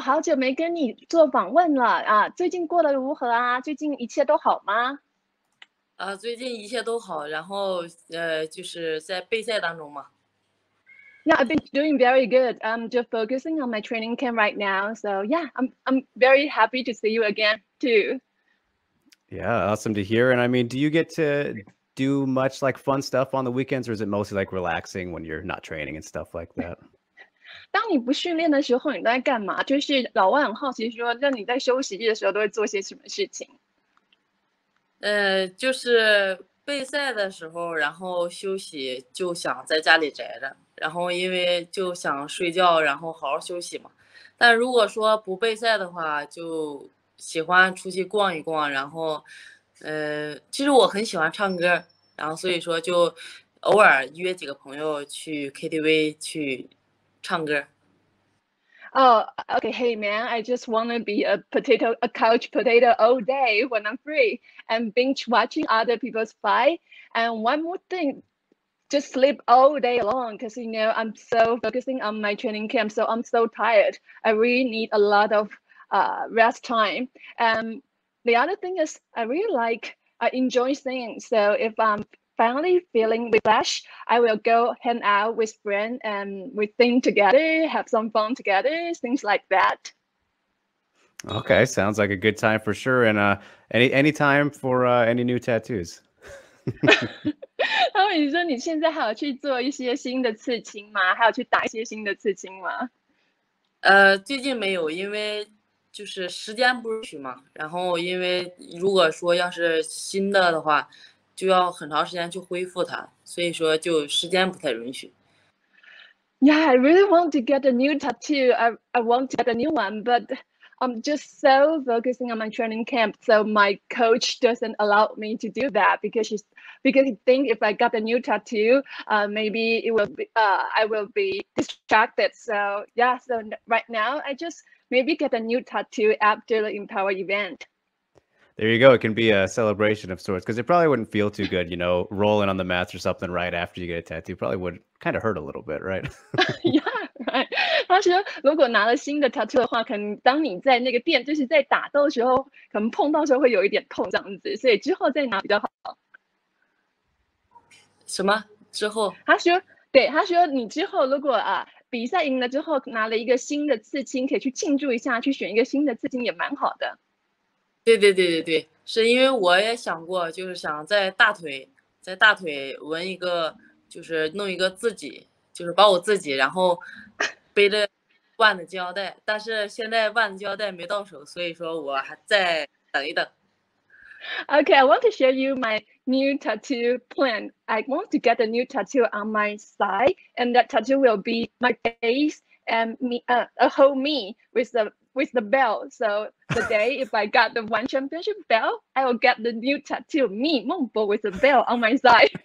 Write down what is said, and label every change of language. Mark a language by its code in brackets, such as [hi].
[zh] 好久没跟你做访问了啊！最近过得如何啊？最近一切都好吗？啊，最近一切都好。然后就是在备赛当中嘛。 [en] Yeah, I've been doing very good. I'm just focusing on my training camp right now. So yeah, I'm very happy to see you again too. Yeah, awesome to hear. And I mean, do you get to do much like fun stuff on the weekends, or is it mostly like relaxing when you're not training and stuff like that? [zh] 当你不训练的时候，你在干嘛？就是老外很好奇说，那你在休息日的时候都会做些什么事情？就是备赛的时候，然后休息就想在家里宅着。然后因为就想睡觉然后好好休息嘛，但如果说不备赛的话就喜欢出去逛一逛，然后其实我很喜欢唱歌，然后所以说就偶尔约几个朋友去 KTV 去唱歌。 [en] Oh, okay, hey man, I just want to be a couch potato all day when I'm free and binge watching other people's fight. And one more thing,just sleep all day long because, you know, I'm so focusing on my training camp, so I'm so tired. I really need a lot of rest time. And the other thing is I enjoy singing. So if I'm finally feeling refreshed, I will go hang out with friends and we sing together, have some fun together, things like that. Okay, sounds like a good time for sure. And any time for any new tattoos? [zh] 他问你说你现在还有去做一些新的刺青吗？还有去打一些新的刺青吗？最近没有，因为就是时间不允许嘛。然后因为如果说要是新的话，就要很长时间去恢复它，所以说就时间不太允许。 [en] Yeah, I really want to get a new tattoo. I want to get a new one, but I'm just so focusing on my training camp, so my coach doesn't allow me to do that because he thinks if I got a new tattoo, maybe it will be, I will be distracted. So yeah, so right now I just maybe get a new tattoo after the Empower event. There you go. It can be a celebration of sorts because it probably wouldn't feel too good, you know, rolling on the mats or something right after you get a tattoo. Probably would kind of hurt a little bit, right? Yeah. Right. [zh] 他说如果拿了新的 tattoo 的话，可能当你在那个店就是在打斗的时候，可能碰到的时候会有一点痛这样子，所以之后再拿比较好。什么之后？他说对，他说你之后如果比赛赢了之后拿了一个新的刺青，可以去庆祝一下，去选一个新的刺青也蛮好的。对对对对对，是因为我也想过，就是想在大腿纹一个，就是弄一个自己，就是把我自己，然后背着万的胶带，但是现在万的胶带没到手，所以说我还再等一等。 [en] Okay, I want to show you my new tattoo plan. I want to get a new tattoo on my side, and that tattoo will be my face and me, a whole me with the belt. So the day if I got the one championship belt, I will get the new tattoo me Meng Bo with the belt on my side.